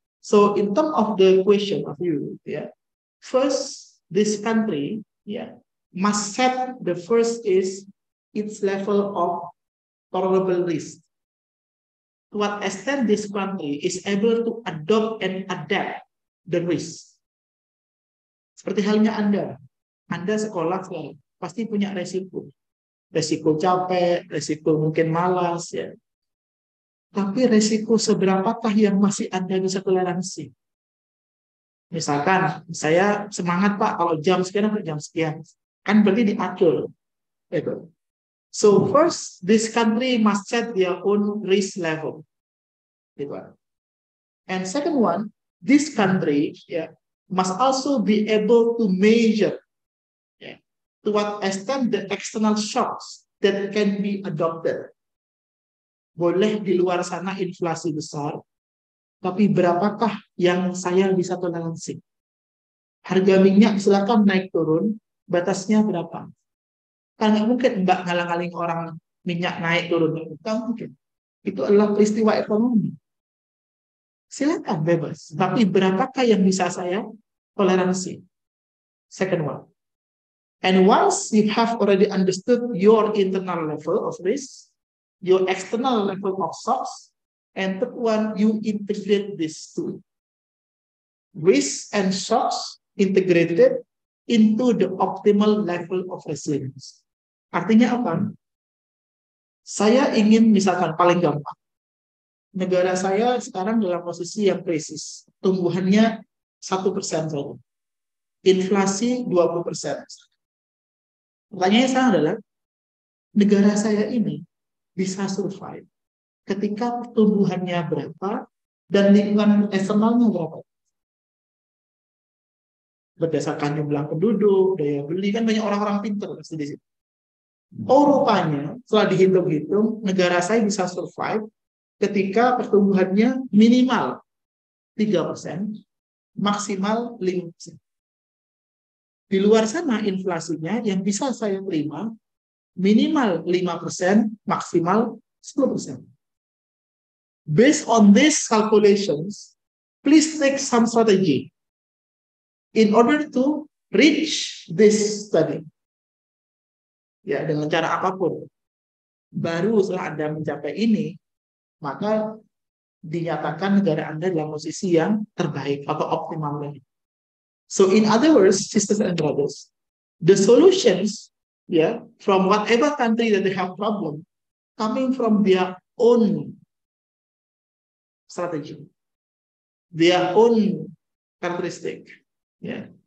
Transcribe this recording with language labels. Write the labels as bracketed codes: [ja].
[en] So in terms of the question of you, first, this country must set the first is its level of tolerable risk. To what extent this country is able to adopt and adapt the risk. [id] Seperti halnya Anda. Anda sekolah sekarang, pasti punya resiko. Resiko capek, resiko mungkin malas. Ya. Tapi resiko seberapakah yang masih Anda bisa toleransi? Misalkan, saya semangat Pak, kalau jam sekian, jam sekian. Kan berarti diatur. [en] So first, this country must set their own risk level. And second one, this country, must also be able to measure to what extent the external shocks that can be adopted. [id] Boleh di luar sana inflasi besar, tapi berapakah yang saya bisa toleransi? Harga minyak silakan naik turun, batasnya berapa? Karena mungkin Mbak ngalang-ngaling orang minyak naik turun, enggak mungkin. Itu adalah peristiwa ekonomi. Silakan bebas, tapi berapakah yang bisa saya toleransi. [en] Second one. And once you have already understood your internal level of risk, your external level of SOX, and third one, you integrate these two. Risk and SOX integrated into the optimal level of resilience. [id] Artinya apa? Saya ingin misalkan paling gampang. Negara saya sekarang dalam posisi yang krisis. Tumbuhannya 1% tahun. Inflasi 20%. Pertanyaan saya adalah, negara saya ini bisa survive ketika pertumbuhannya berapa dan lingkungan eksternalnya berapa? Berdasarkan jumlah penduduk, daya beli, kan banyak orang-orang pintar pasti di situ. Oh, rupanya setelah dihitung-hitung, negara saya bisa survive ketika pertumbuhannya minimal 3%, maksimal 5%. Di luar sana inflasinya yang bisa saya terima minimal 5%, maksimal 10%. [en] Based on these calculations, please take some strategy in order to reach this study. [id] Ya, dengan cara apapun. Baru setelah Anda mencapai ini, maka dinyatakan negara Anda dalam posisi yang terbaik atau optimal lagi. [en] So in other words, sisters and brothers, the solutions, yeah, from whatever country that they have problem, coming from their own strategy, their own characteristic, yeah.